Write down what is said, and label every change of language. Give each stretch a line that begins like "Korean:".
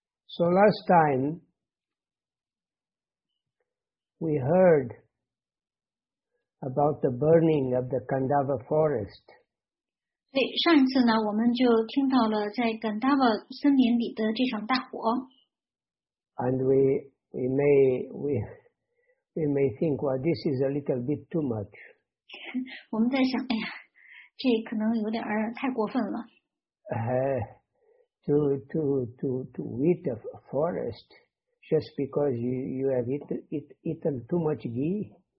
English: So last time we heard about the burning of the Kandava forest.
Chinese: 上一次呢，我们就听到了在耿达瓦森林里的这场大火。
English: And we may think, well, this is a little bit too much.
Chinese: 我们在想，哎呀，这可能有点太过分了。
English: To eat a forest just because you have eaten too much ghee.